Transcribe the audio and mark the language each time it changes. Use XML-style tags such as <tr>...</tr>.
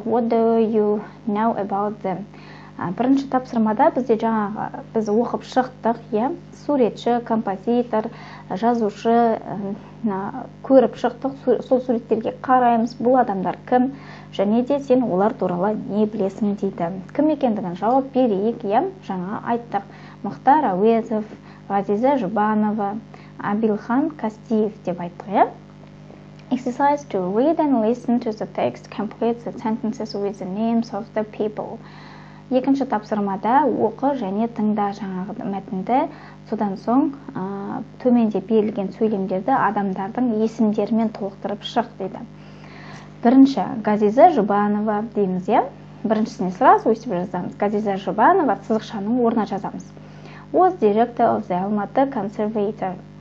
<en>What do you know about them?</en> <kk>Бірінші тапсырмада бізде жаңағы біз оқып шықтық, иә, суретші, композитор, жазушы көріп шықтық, сол суреттерге қараймыз, бұл адамдар кім, және де сен олар туралы не білесің дейді. Кім екендігін жауап берейік, иә, жаңа айттық. Мұхтар Әуезов, Ғазиза Жұбанова, Абилхан Кастиев деп айттық, иә.</kk> <en>Exercise 2. Read and listen to the text. Complete the sentences with the names of the people.</en> <kk>Екінші тапсырмада оқы және тыңда жаңағы мәтінді, содан соң төменде берілген сөйлемдерді адамдардың есімдерімен толықтырып шық дейді. Бірінші, Ғазиза Жұбанова дейміз, иә? Біріншісіне сразу өстіп жазамыз. Ғазиза Жұбанова сызықшаның орнына жазамыз.</kk> <en>Was director of the Алматы conservator.</en>